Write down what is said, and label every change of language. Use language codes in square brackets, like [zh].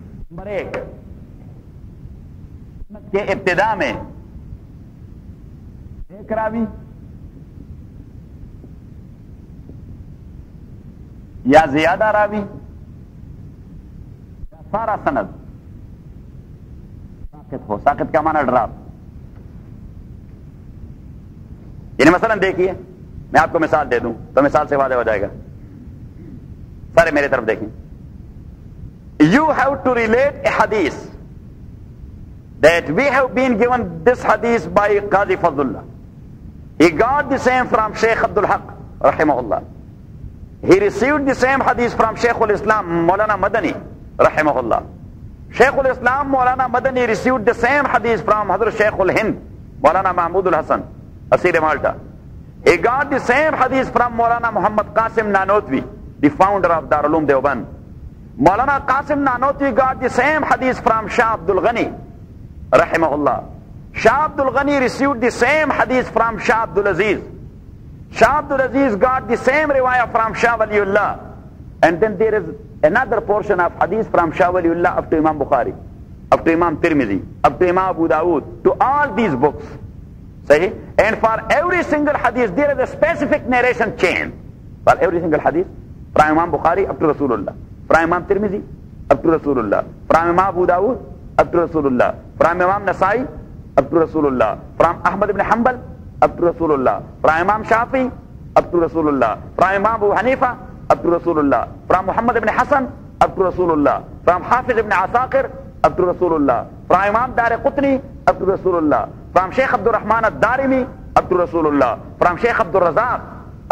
[ur] Number ایک سند کے ابتدا میں ایک راوی یا زیادہ راوی یا سارا سند ساقط ہو, ساقط کا معنی ڈراپ. یعنی مثلا دیکھیے, میں آپ کو مثال دے دوں تو مثال سے واضح ہو جائے گا, سارے میرے طرف دیکھیں. [en] You have to relate a hadith that we have been given this hadith by Qazi Fazlullah. He got the same from Sheikh Abdul Haq rahimahullah. He received the same hadith from Sheikh al-Islam Maulana Madani rahimahullah. Sheikh al-Islam Maulana Madani received the same hadith from Hazrat Sheikh al-Hind Maulana Mahmood al-Hassan Asir Malta. He got the same hadith from Maulana Muhammad Qasim Nanotvi, the founder of Darul Uloom Deoband. Maulana Qasim Nanotvi got the same hadith from Shah Abd al-Ghani رحمہ اللہ. Shah Abd al-Ghani received the same hadith from Shah Abd al-Aziz. Shah Abd al-Aziz got the same riwayah from Shah Waliullah. And then there is another portion of hadith from Shah Waliullah up to Imam Bukhari, up to Imam Tirmidhi, up to Imam Abu Dawud, to all these books. [ur] صحیح. [en] And for every single hadith there is a specific narration chain for every single hadith from Imam Bukhari up to Rasulullah, from Imam Tirmidhi up to Rasulullah, from Imam Abu Dawud up to Rasulullah, from Imam Nasai up to Rasulullah, from Ahmad bin Hanbal up to Rasulullah, from Imam Shafi'i up to Rasulullah, from Imam Abu Hanifa up to Rasulullah, from Muhammad bin Hasan up to Rasulullah, from Hafiz bin Asakir up to Rasulullah, from Imam Daraqutni up to Rasulullah, from Sheikh Abd al-Rahman al-Darimi up to Rasulullah, from Sheikh Abd al-Razzaq